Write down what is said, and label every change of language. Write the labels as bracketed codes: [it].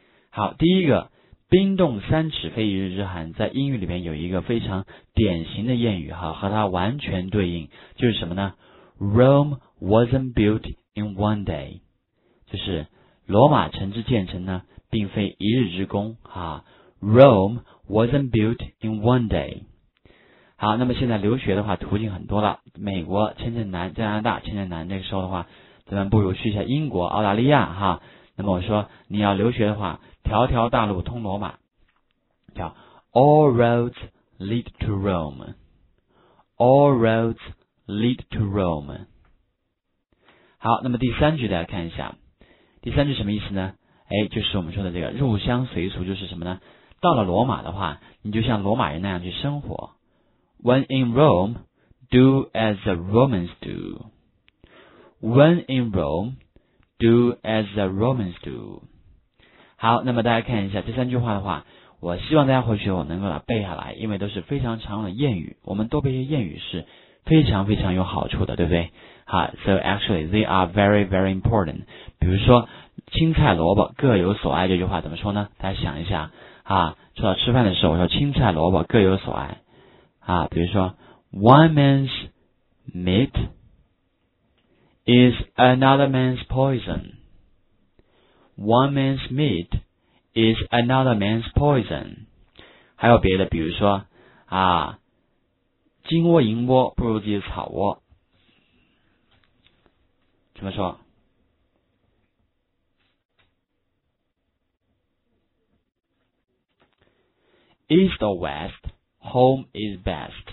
[zh] 好，第一个，冰冻三尺非一日之寒，在英语里面有一个非常典型的谚语哈，和它完全对应，就是什么呢？ [en] Rome wasn't built in one day， [zh] 就是罗马城之建成呢，并非一日之功哈。 [en] Rome wasn't built in one day。 [zh] 好，那么现在留学的话途径很多了，美国签证难，加拿大签证难，那个时候的话咱们不如去一下英国澳大利亚哈。那么我说你要留学的话，条条大路通罗马，叫 [en] All roads lead to Rome， [zh] All roads lead to Rome。好，那么第三句大家看一下，第三句什么意思呢？哎，就是我们说的这个入乡随俗，就是什么呢？到了罗马的话你就像罗马人那样去生活。 [en] When in Rome, do as the Romans do. When in Rome, do as the Romans do. [zh] 好，那么大家看一下这三句话的话，我希望大家回去我能够把它背下来，因为都是非常常用的谚语，我们多背一些谚语是非常非常有好处的，对不对？ [en] 好， So actually, they are very, very important. [zh] 比如说青菜萝卜各有所爱，这句话怎么说呢？大家想一下啊，说到吃饭的时候，我说青菜萝卜各有所爱啊，比如说 [en] One man's meat is another man's poison. One man's meat is another man's poison. [zh] 还有别的，比如说啊，金窝银窝不如自己的草窝，怎么说？ [en] East or West, home is best。